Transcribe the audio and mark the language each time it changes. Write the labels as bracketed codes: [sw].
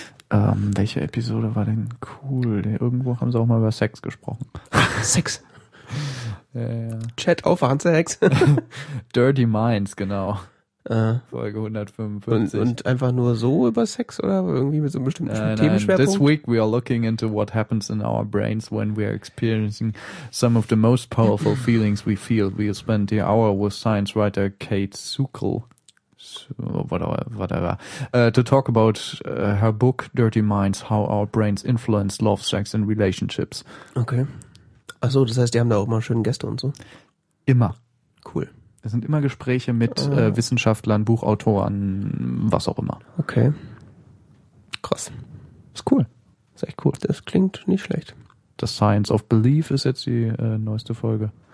[de] Welche Episode war denn cool? Irgendwo haben sie auch mal über Sex gesprochen. Sex! Ja. Chat auf, Hansex. Dirty Minds, genau. Folge 155. Und einfach nur so über Sex oder irgendwie mit so einem bestimmten Themenschwerpunkt? [en] This week we are looking into what happens in our brains when we are experiencing some of the most powerful feelings we feel. We spent the hour with science writer Kate Suckel. Whatever. To talk about her book Dirty Minds, how our brains influence love, sex and relationships. [de] Okay. Achso, das heißt, die haben da auch mal schöne Gäste und so? Immer. Cool. Es sind immer Gespräche mit Wissenschaftlern, Buchautoren, was auch immer. Okay. Krass. Ist cool. Ist echt cool. Das klingt nicht schlecht. The Science of Belief ist jetzt die neueste Folge.